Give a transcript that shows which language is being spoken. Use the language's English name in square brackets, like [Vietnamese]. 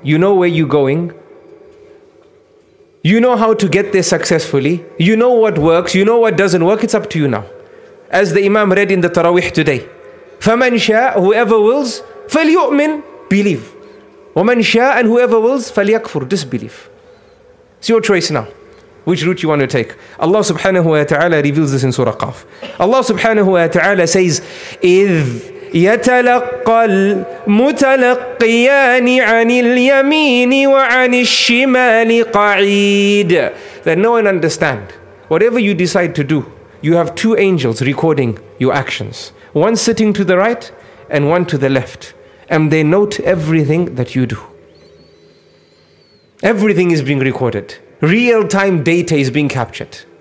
[English] You know where you're going. You know how to get there successfully. You know what works. You know what doesn't work. It's up to you now. As the Imam read in the Taraweeh today, [Arabic] فَمَنْ شَاءَ [English] whoever wills, [Arabic] فَلْيُؤْمِنْ [English] believe. [Arabic] وَمَنْ شَاءَ [English] and whoever wills, [Arabic] فَلْيَكْفُرْ [English] disbelieve. It's your choice now. Which route you want to take? Allah subhanahu wa ta'ala reveals this in Surah Qaf. [Arabic] Allah subhanahu wa ta'ala says, إِذْ يَتَلَقَّ الْمُتَلَقِّيَانِ عَنِ الْيَمِينِ وَعَنِ الشِّمَالِ قَعِيدٍ. [English] That no one understand. Whatever you decide to do, you have two angels recording your actions. One sitting to the right and one to the left. And they note everything that you do. Everything is being recorded. Real-time data is being captured.